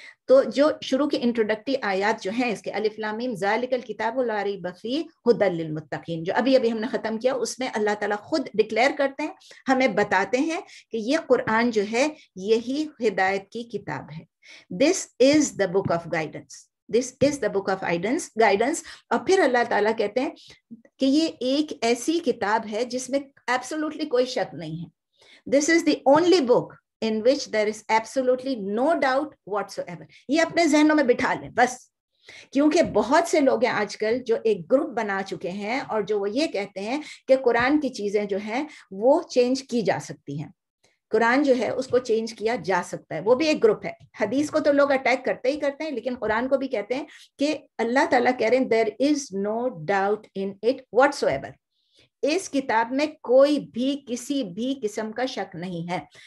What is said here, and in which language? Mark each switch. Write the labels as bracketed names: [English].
[Urdu] تو جو شروع کے انٹروڈکٹری آیات جو ہیں اس کے, [Arabic] الف لام میم, ذالک الکتاب لا ریب فیہ ہدی للمتقین, [Urdu] جو ابھی ہم نے ختم کیا, اس میں اللہ تعالیٰ خود ڈکلیئر کرتے ہیں, ہمیں بتاتے ہیں کہ یہ قرآن جو ہے یہی ہدایت کی کتاب ہے. [English] This is the book of guidance, this is the book of guidance. [Urdu] اور پھر اللہ تعالیٰ کہتے ہیں کہ یہ ایک ایسی کتاب ہے جس میں absolutely کوئی شک نہیں ہے. [English] This is the only book in which there is absolutely no doubt whatsoever. [Urdu] یہ اپنے ذہنوں میں بٹھا لیں بس, کیونکہ بہت سے لوگ ہیں آج کل جو ایک گروپ بنا چکے ہیں, اور جو وہ یہ کہتے ہیں کہ قرآن کی چیزیں جو ہیں وہ چینج کی جا سکتی ہیں, قرآن جو ہے اس کو چینج کیا جا سکتا ہے. وہ بھی ایک گروپ ہے. حدیث کو تو لوگ اٹیک کرتے ہی کرتے ہیں, لیکن قرآن کو بھی کہتے ہیں کہ اللہ تعالیٰ کہہ رہے ہیں [English] there is no doubt in it whatsoever, [Urdu] اس کتاب میں کوئی بھی کسی بھی قسم کا شک نہیں ہے.